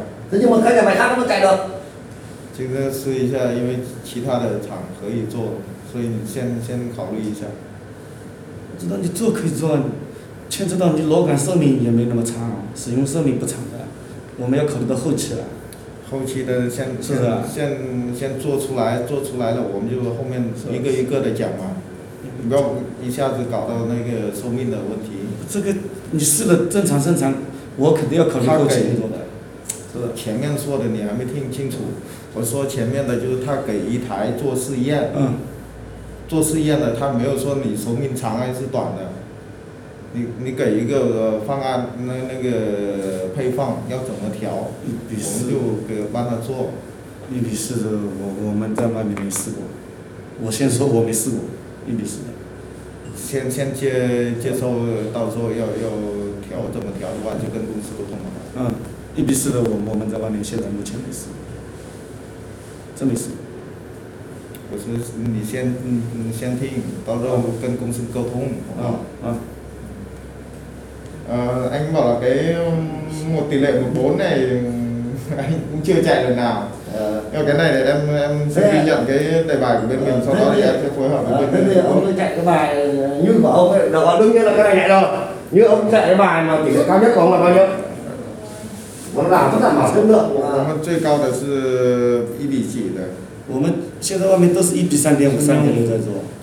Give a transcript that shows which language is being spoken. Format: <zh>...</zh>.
<vi>Thế nhưng mà các nhà máy khác nó chạy được. Chúng ta thử một chút, vì các nhà máy khác có thể làm, nên anh xem khảo lý một chút. Chúng ta làm có thể làm, nhưng chúng ta biết là cái lò gan sống cũng không dài, sử dụng sống không dài.</vi> <zh>我们要考虑到后期了，后期的先是的先做出来了，我们就后面一个一个的讲嘛，你不要一下子搞到那个寿命的问题。这个你试了正常生产，我肯定要考虑后期工作的。是的，前面说的你还没听清楚，我说前面的就是他给一台做试验，做试验的他没有说你寿命长还是短的。你给一个方案，那个配方要怎么调，我们就给帮他做。 1:4，我们在外面没试过，我先说我没试过1:4。先接受，到时候要调怎么调的话，就跟公司沟通了。 1:4的我们在外面现在目前没试过，真没试过。我说你先听，到时候跟公司沟通，好不好？</zh> <vi>Anh bảo là cái 1:4 này anh cũng chưa chạy lần nào. Nhưng cái này thì em sẽ ghi nhận cái đề bài của bên mình, sau đó thì em sẽ phối hợp với bên mình. Thế thì ông chạy cái bài như của ông ấy, đó đương nhiên là cái này nhẹ rồi. Như ông chạy cái bài mà tỷ lệ cao nhất của ông là bao nhiêu? Nó làm rất đảm bảo chất lượng. Nó chơi cao là 1:</vi> <zh>几的。我们现在外面都是1:3.5、3.6在做。</zh>